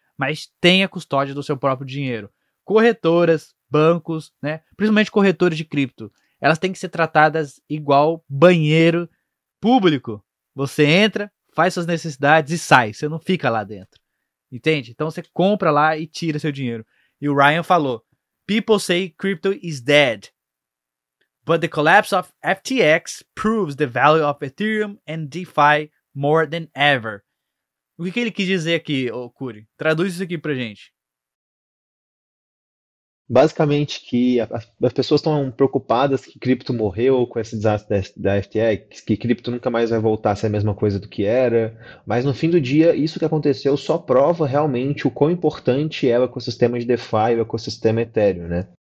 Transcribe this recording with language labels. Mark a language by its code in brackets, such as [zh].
[pt] Mas tenha custódia do seu próprio dinheiro. Corretoras, bancos, né? Principalmente corretoras de cripto, elas têm que ser tratadas igual banheiro público. Você entra, faz suas necessidades e sai. Você não fica lá dentro, entende? Então você compra lá e tira seu dinheiro. E o Ryan falou: [en] "People say crypto is dead, but the collapse of FTX proves the value of Ethereum and DeFi more than ever." [pt] O que que ele quis dizer aqui, ô Curi? Traduz isso aqui pra gente. Basicamente que as pessoas estão preocupadas que cripto morreu com esse desastre da FTX, que cripto nunca mais vai voltar a ser a mesma coisa do que era, mas no fim do dia isso que aconteceu só prova realmente o quão importante é o ecossistema de DeFi, o ecossistema Ethereum, né?